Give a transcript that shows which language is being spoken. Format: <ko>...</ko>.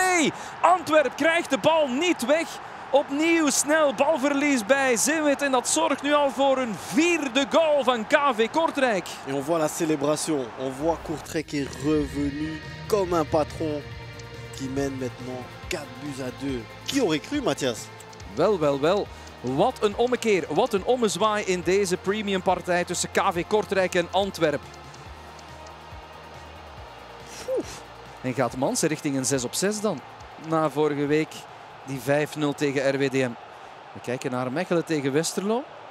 <nl>4-2. Antwerp krijgt de bal niet weg. Opnieuw snel balverlies bij Zimit en dat zorgt nu al voor een vierde goal van KV Kortrijk.</nl> <fr>Et on voit la célébration, on voit Kortrijk qui est revenu comme un patron qui mène maintenant 4-2. Qui aurait cru, Mathias?</fr> <nl>Wel, wel, wel. Wat een ommekeer, wat een ommezwaai in deze premium partij tussen KV Kortrijk en Antwerp. Oef. En gaat Mansen richting een 6-6 dan na vorige week? Die 5-0 tegen RWDM. We kijken naar Mechelen tegen Westerlo.</nl>